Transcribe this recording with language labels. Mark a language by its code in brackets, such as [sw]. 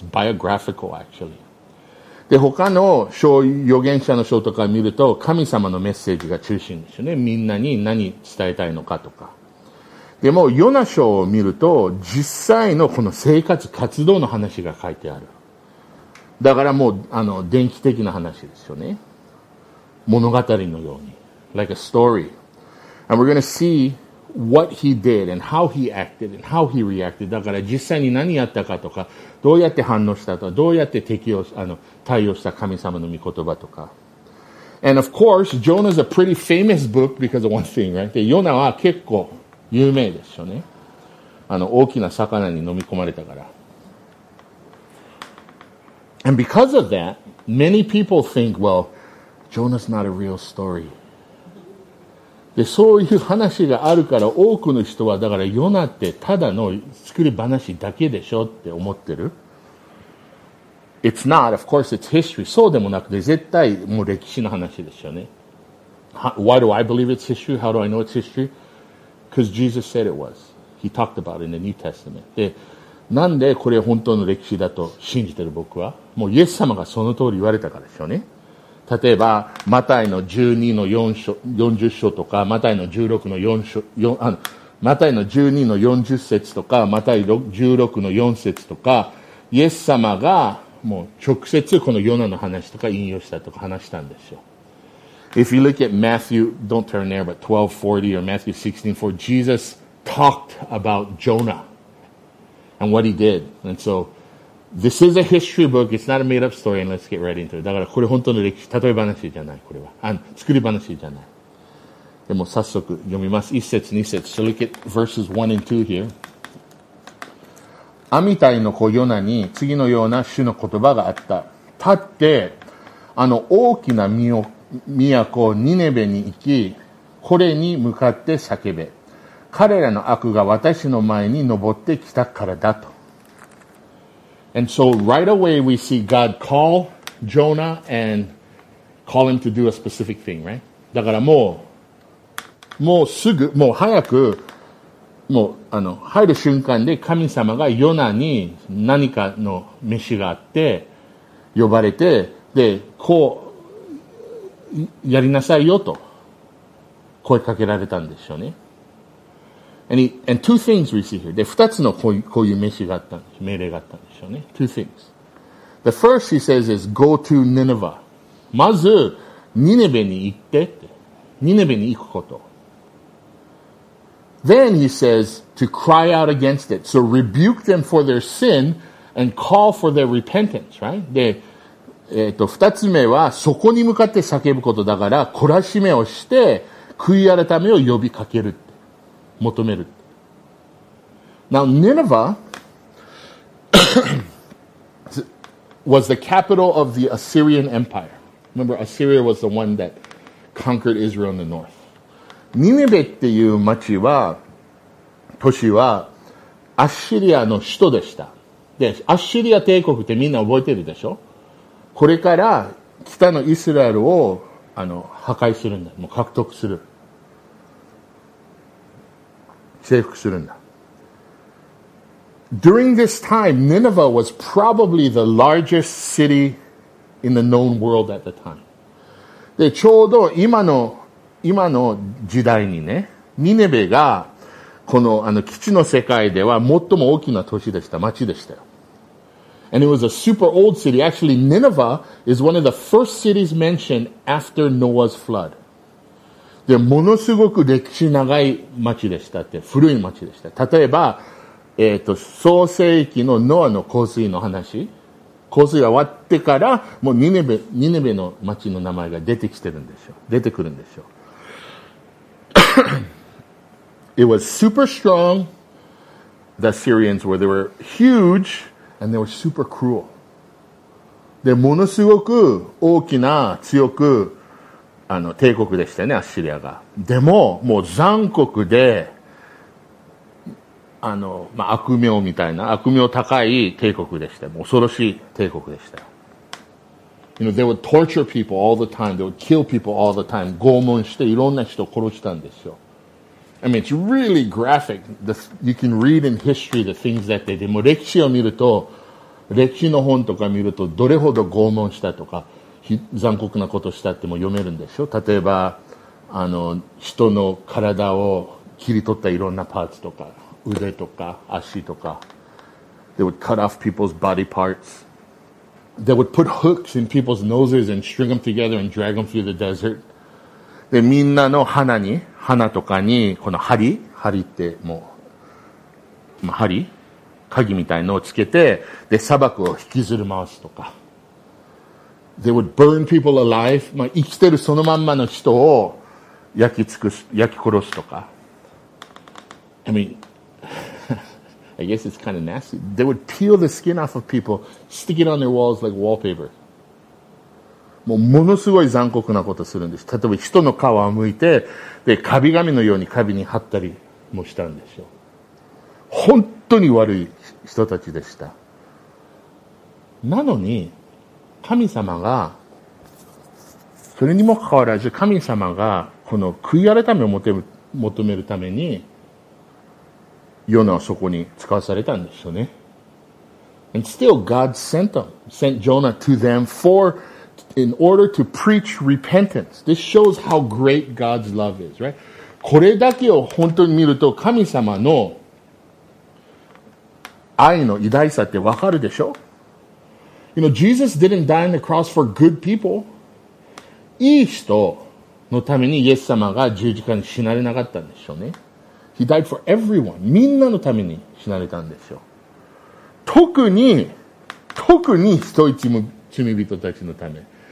[en] It's biographical actually. [ja] で、他の書、預言者の書とか見ると、神様のメッセージが中心ですよね。みんなに何伝えたいのかとか。でも、ヨナ書を見ると、実際のこの生活、活動の話が書いてある。だからもう、あの、電気的な話ですよね。物語のように。 [en] Like a story. And we're gonna see what he did and how he acted and how he reacted. [ja] だから実際に何やったかとか、どうやって反応したとか、どうやって適応、あの、対応した神様の御言葉とか。 [en] And of course, Jonah's a pretty famous book because of one thing, right? [ja] で、ヨナは結構有名ですよね。あの、大きな魚に飲み込まれたから。 [en] And because of that, many people think, well, Jonah's not a real story. [ja] で、そういう話があるから多くの人は、だからヨナってただの作り話だけでしょって思ってる。 [en] It's not, of course, it's history. [ja] そうでもなくて、絶対もう歴史の話ですよね。 [en] Why do I believe it's history? How do I know it's history? Because Jesus said it was. He talked about it in the New Testament. [ja] で、なんでこれ本当の歴史だと信じてる僕は、もうイエス様がその通り言われたからですよね。例えば、マタイの12の4章、40章とか、マタイの16の4章、4、あの、マタイの12の40節とか、マタイ16の4節とか、イエス様が、もう直接このヨナの話とか引用したとか話したんですよ。 [en] If you look at Matthew, don't turn there, but 12:40 or Matthew 16:4, Jesus talked about Jonah and what he did. And so, this is a history book. It's not a made-up story, and let's get right into it. [ja] だからこれ本当の歴史、例え話じゃない、これは。あの、作り話じゃない。でも早速読みます。一節二節。 [en] So look at verses 1 and 2 here. [ja] アミタイの子ヨナに次のような主の言葉があった。立って、あの大きな都をニネベに行き、これに向かって叫べ。彼らの悪が私の前に登ってきたからだと。 [en] And so right away we see God call Jonah and call him to do a specific thing, right? [ja] だからもうすぐ、もう早く、もうあの入る瞬間で神様がヨナに何かの召しがあって呼ばれて、で、こうやりなさいよと声かけられたんでしょうね。 [en] And two things we see here. [ja] で、二つのこういう命令があったんでしょう。命令があったんでしょうね。 [en] Two things. The first he says is go to Nineveh. [ja] まず、ニネベに行ってって。ニネベに行くこと。 [en] Then he says to cry out against it. So rebuke them for their sin and call for their repentance, right? [ja] で、二つ目はそこに向かって叫ぶことだから、懲らしめをして、悔い改めを呼びかける。求める。 [en] Now, Nineveh was the capital of the Assyrian Empire. Remember, Assyria was the one that conquered Israel in the north. [ja] Nineveh っていう町は、都市は、アッシリアの首都でした。で、アッシリア帝国ってみんな覚えてるでしょ？これから北のイスラエルを、破壊するんだ。もう獲得する。征服するんだ。 [en] During this time, Nineveh was probably the largest city in the known world at the time. [ja] で、ちょうど今の時代にね、ニネベが、この、基地の世界では最も大きな都市でした、町でしたよ。 [en] And it was a super old city. Actually, Nineveh is one of the first cities mentioned after Noah's flood. [ja] で、ものすごく歴史長い町でしたって、古い町でした。例えば、創世紀のノアの洪水の話。洪水が終わってから、もうニネベの町の名前が出てきてるんでしょう。出てくるんでしょう。 [en] It was super strong, the Assyrians were. They were huge, and they were super cruel. [ja] で、ものすごく大きな、強く、帝国でしたね、アッシリアが。でも、もう残酷で、悪名みたいな、悪名高い帝国でした。もう恐ろしい帝国でした。 [en] You know, they would torture people all the time. They would kill people all the time. [ja] 拷問して、いろんな人を殺したんですよ。 [en] I mean, it's really graphic. You can read in history the things that they did. [ja] もう歴史を見ると、歴史の本とか見ると、どれほど拷問したとか、残酷なことしたっても読めるんでしょ。例えば人の体を切り取ったいろんなパーツとか、腕とか足とか。 [en] They would cut off people's body parts. They would put hooks in people's noses and string them together and drag them through the desert. [ja] で、みんなの鼻とかにこの針ってもう針鍵みたいのをつけて、で、砂漠を引きずる回すとか。 [en] They would burn people alive. [ja] まあ生きてるそのまんまの人を焼き殺すとか。 [en] I mean, I guess it's kind of nasty. They would peel the skin off of people, stick it on their walls like wallpaper. [ja] もうものすごい残酷なことするんです。例えば人の皮を剥いて、で、カビ紙のようにカビに貼ったりもしたんでしょう。本当に悪い人たちでした。なのに、神様が、それにもかかわらず、神様が、この悔い改めを求めるために、ヨナをそこに使わされたんですよね。 [en] And still, God sent Jonah to them in order to preach repentance. This shows how great God's love is, right? [ja] これだけを本当に見ると、神様の愛の偉大さってわかるでしょ？ [en] You know, Jesus didn't die on the cross for good people. [ja] いい人のためにイエス様が十字架に死なれなかったんでしょうね。 [en] He died for everyone. [ja] みんなのために死なれたんですよ。特に人一人罪人たちのため。